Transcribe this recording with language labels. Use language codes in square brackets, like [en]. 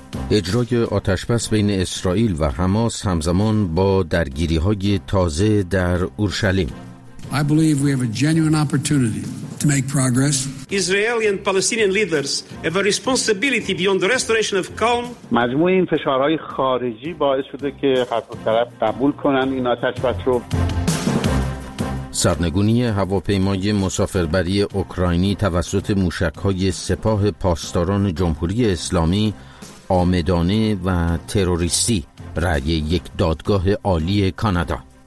[fa] اجرای آتش‌بس بین اسرائیل و حماس همزمان با درگیری‌های تازه در اورشلیم. [en] I believe we have a genuine opportunity to make progress. Israeli and Palestinian leaders have a responsibility beyond the restoration of calm. [fa] مجموع این فشارهای خارجی باعث شده که هر دو طرف قبول کنن این آتش‌بس رو. سرنگونی هواپیمای مسافربری اوکراینی توسط موشک‌های سپاه پاسداران جمهوری اسلامی آمدانه و تروریستی، رأی یک دادگاه عالی کانادا.